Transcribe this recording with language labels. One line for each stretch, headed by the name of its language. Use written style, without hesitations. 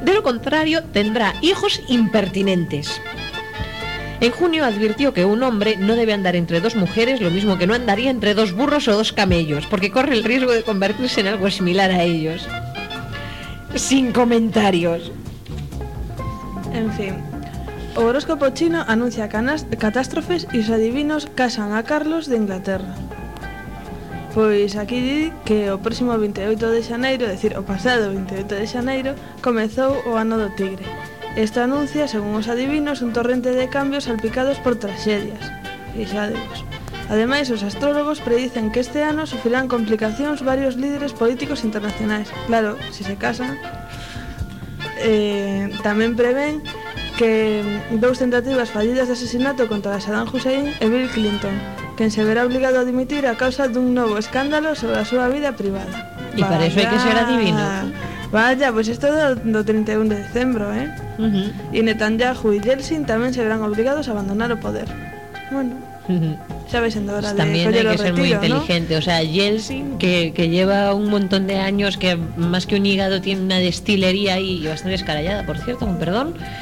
Spanish: De lo contrario, tendrá hijos impertinentes. En junio advirtió que un hombre no debe andar entre dos mujeres lo mismo que no andaría entre dos burros o dos camellos, porque corre el riesgo de convertirse en algo similar a ellos. Sin comentarios. En fin, horóscopo chino anuncia catástrofes y los adivinos casan a Carlos de Inglaterra.
Galician: Pues aquí di que o próximo 28 de xaneiro,
Spanish: es decir,
Galician: o pasado 28 de xaneiro, comezou o ano do tigre. Esto anuncia, según os adivinos, un torrente de cambios salpicados por traxedias. E xa deus. Ademais, os astrólogos predicen que este ano sufrirán complicacións varios líderes políticos internacionais.
Spanish: Claro, si se casan.
Galician: Tamén prevén que dous tentativas fallidas de asesinato contra Saddam Hussein e Bill Clinton, quen se verá obligado a dimitir a causa dun novo escándalo sobre a súa vida privada. E para iso hai que ser adivino.
Spanish: Vaya, pues esto
Galician: do 31 de decembro,
Spanish: Y Netanyahu y Yeltsin también se verán obligados a abandonar el poder. Bueno, sabes, en la hora pues de también hay que retiro, ser muy inteligente, ¿no? O sea, Yeltsin, que lleva un montón de años, que más que un hígado tiene una destilería ahí, y bastante escarallada, por cierto, con perdón.